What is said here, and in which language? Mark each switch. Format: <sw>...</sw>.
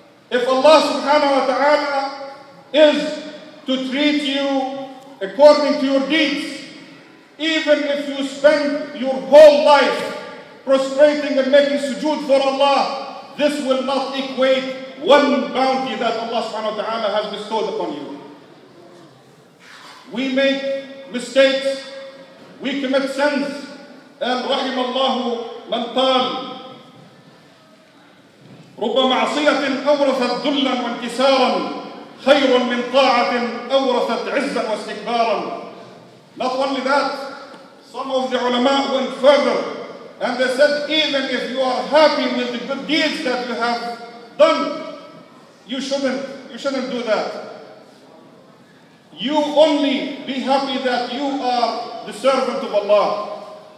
<en>If Allah subhanahu wa ta'ala is to treat you according to your deeds, even if you spend your whole life prostrating and making sujood for Allah, this will not equate one bounty that Allah subhanahu wa ta'ala has bestowed upon you. We make mistakes, we commit sins, and</en> <ar>رحم الله من طال رب معصية أورثت ذلا وانكسارا خير من طاعة أورثت عزا واستكبارا.</ar> <en>Not only that, some of the ulama went further and they said, even if you are happy with the good deeds that you have done, you shouldn't do that. You only be happy that you are the servant of Allah.</en>